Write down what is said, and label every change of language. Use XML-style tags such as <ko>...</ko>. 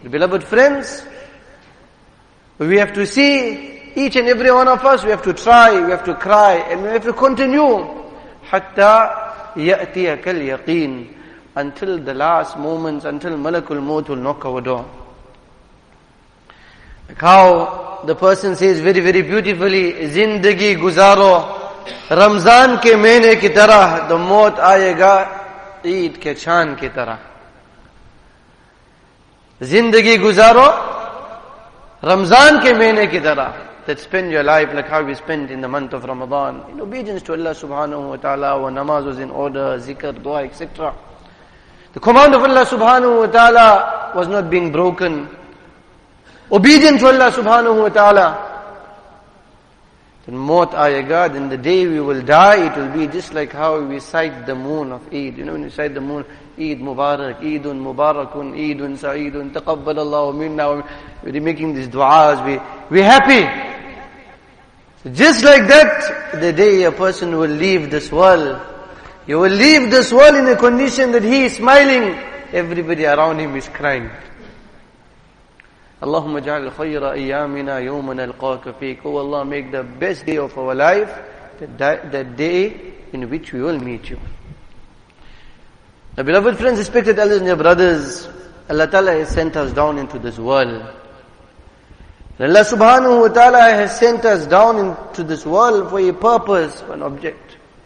<en>But beloved friends, we have to see each and every one of us, we have to try, we have to cry, and we have to continue. Hatta</en> <ar>يَأْتِيَكَ الْيَقِينَ</ar> <en>until the last moments, until Malakul Maut will knock our door. Like how the person says very, very beautifully,</en> <ur>زِندَگِي گُزَارُو رمضان کے مہینے کی طرح تو موت آئے گا عید کے چاند کی طرح. زندگی گزارو رمضان کے مہینے کی طرح.</ur> <en>That spend your life like how we spend in the month of Ramadan. In obedience to Allah subhanahu wa ta'ala, our namaz was in order, zikr, dua, etc. The command of Allah subhanahu wa ta'ala was not being broken. Obedience to Allah subhanahu wa ta'ala. Then maut aye God, in the day we will die, it will be just like how we cite the moon of Eid. You know, when you cite the moon, Eid Mubarak,</en> <ar>Eidun Mubarakun, Eidun Sa'idun, Taqabbal Allahu Minna.</ar> <en>We're making these du'as, we're happy. So just like that, the day a person will leave this world, you will leave this world in a condition that he is smiling, everybody around him is crying.</en> <ar>اللهم اجعل خير ايامنا يوم نلقاك فيك.</ar> <en>Oh Allah, make the best day of our life that day in which we will meet you. Now, beloved friends, respected elders and your brothers, Allah Ta'ala has sent us down into this world. Allah subhanahu wa ta'ala has sent us down into this world for a purpose, for an object.</en>